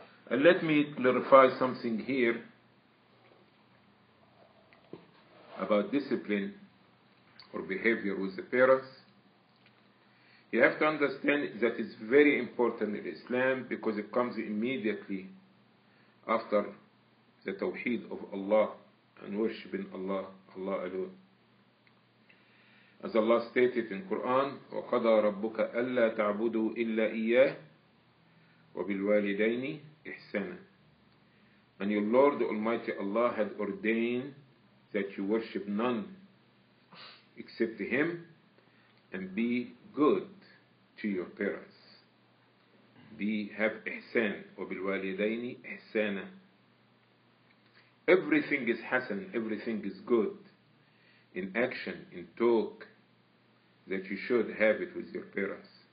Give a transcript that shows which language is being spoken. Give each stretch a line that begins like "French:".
English: And let me clarify something here about discipline or behavior with the parents. You have to understand that it's very important in Islam because it comes immediately after the Tawheed of Allah and worshipping Allah, Allah alone. As Allah stated in Quran,
Arabic: وَقَضَى رَبُّكَ أَلَّا تَعْبُدُوا إِلَّا إِيَّهِ وَبِالْوَالِدَيْنِ إِحْسَانًا.
English: And your Lord Almighty Allah had ordained that you worship none except Him and be good to your parents. Have ihsan,
Arabic: وَبِالْوَالِدَيْنِ إِحْسَانًا.
English: Everything is hasan, everything is good in action, in talk, that you should have it with your parents.